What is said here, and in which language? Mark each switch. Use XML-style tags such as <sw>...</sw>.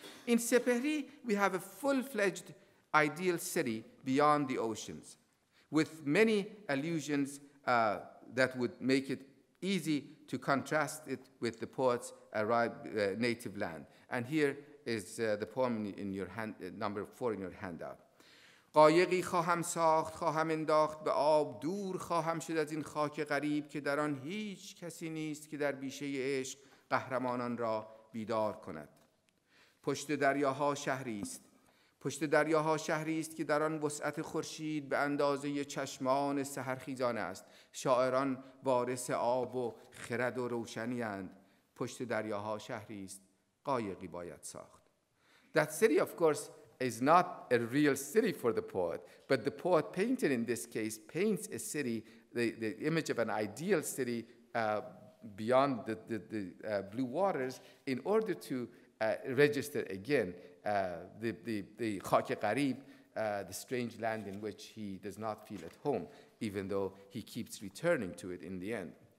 <en>In Sepehri, we have a full-fledged ideal city beyond the oceans, with many allusions that would make it easy to contrast it with the poet's native land. And here is the poem in your hand, number four in your handout.</en> <fa>قایقی خواهم ساخت، خواهم انداخت به آب، دور خواهم شد از این خاک غریب که در آن هیچ کسی نیست که در بیشه عشق قهرمانان را بیدار کند. پشت دریاها شهری است. پشت دریاها شهری است که در آن وسعت خورشید به اندازه چشمان سحرخیزان است. شاعران وارث آب و خرد و روشنی اند. پشت دریاها شهری است. قایقی باید ساخت.</fa> <en>That city, of course, is not a real city for the poet, but the poet painted in this case paints a city, the image of an ideal city beyond the blue waters in order to register again the khake qareeb, the strange land in which he does not feel at home, even though he keeps returning to it in the end.</en>